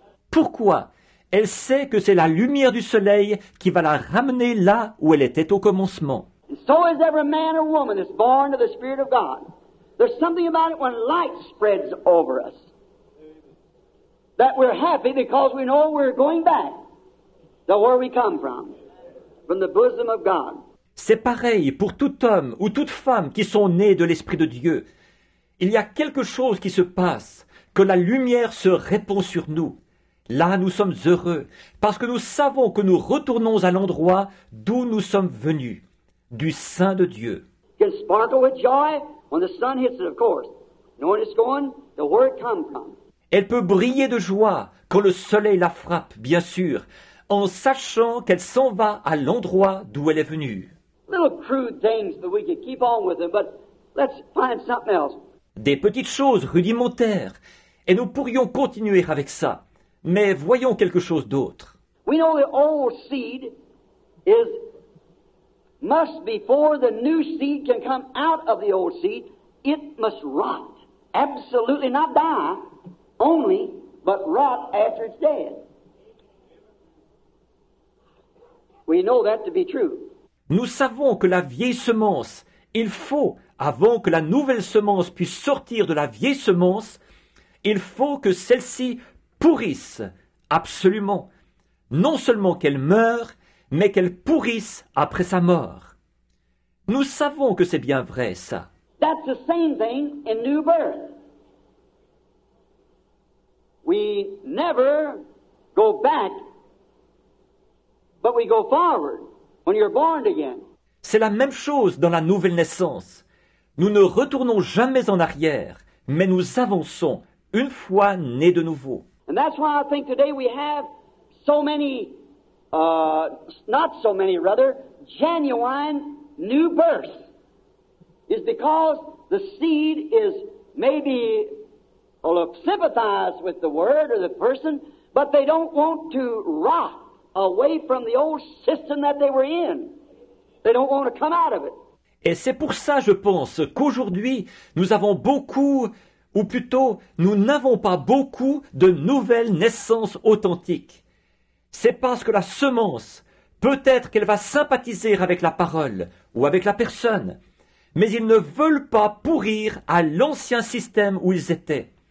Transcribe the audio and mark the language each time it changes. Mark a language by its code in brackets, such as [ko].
[fr] Pourquoi? Elle sait que c'est la lumière du soleil qui va la ramener là où elle était au commencement. [en] And so is every man or woman that's born of the Spirit of God. There's something about it when light spreads over us. That we're happy because we know we're going back to where we come from the bosom of God. [fr] C'est pareil pour tout homme ou toute femme qui sont nés de l'Esprit de Dieu. Il y a quelque chose qui se passe, que la lumière se répand sur nous. Là, nous sommes heureux parce que nous savons que nous retournons à l'endroit d'où nous sommes venus, du sein de Dieu. [en] It can sparkle with joy. When the sun hits it, of course, knowing it's going to where it comes from. [fr] Elle peut briller de joie quand le soleil la frappe, bien sûr, en sachant qu'elle s'en va à l'endroit d'où elle est venue. [en] Little crude things that we can keep on with them, but let's find something else. [fr] Des petites choses rudimentaires, et nous pourrions continuer avec ça, mais voyons quelque chose d'autre. [en] We know the old seed is. Must before the new seed can come out of the old seed, it must rot. Absolutely not die, only, but rot after it's dead. We know that to be true. [fr] Nous savons que la vieille semence, il faut, avant que la nouvelle semence puisse sortir de la vieille semence, il faut que celle-ci pourrisse, absolument. Non seulement qu'elle meure, mais qu'elle pourrisse après sa mort. Nous savons que c'est bien vrai, ça. [en] That's the same thing in new birth. We never go back, but we go forward when you're born again. [fr] C'est la même chose dans la nouvelle naissance. Nous ne retournons jamais en arrière, mais nous avançons une fois nés de nouveau. [en] And that's why I think today we have so many, not so many rather, genuine new birth is because the seed is maybe sympathize with the word or the person, but they don't want to rot away from the old system that they were in. They don't want to come out of it. [fr] Et c'est pour ça, je pense, qu'aujourd'hui, nous avons beaucoup, ou plutôt, nous n'avons pas beaucoup de nouvelles naissances authentiques. C'est parce que la semence, peut-être qu'elle va sympathiser avec la parole ou avec la personne, mais ils ne veulent pas pourrir à l'ancien système où ils étaient.